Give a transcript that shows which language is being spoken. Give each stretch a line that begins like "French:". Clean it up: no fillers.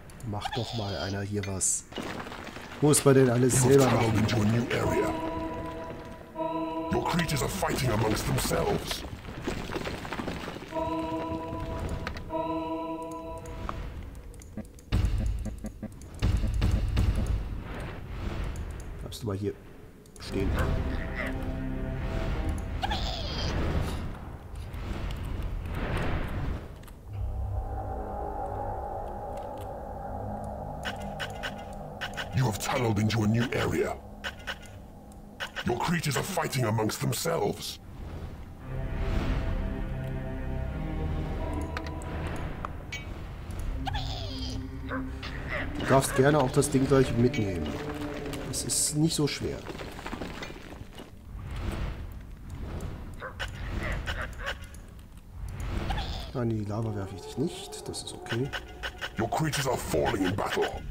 German: Mach doch mal einer hier was. Muss man denn alles selber machen?
English: Your creatures are fighting amongst themselves.
German: Bleibst du mal hier stehen?
English: You have tunneled into a new area. Your creatures are fighting amongst themselves.
German: Du darfst gerne auch das Ding gleich mitnehmen. Es ist nicht so schwer. Nein, die Lava werfe ich dich nicht. Das ist okay.
English: Your creatures are falling in battle.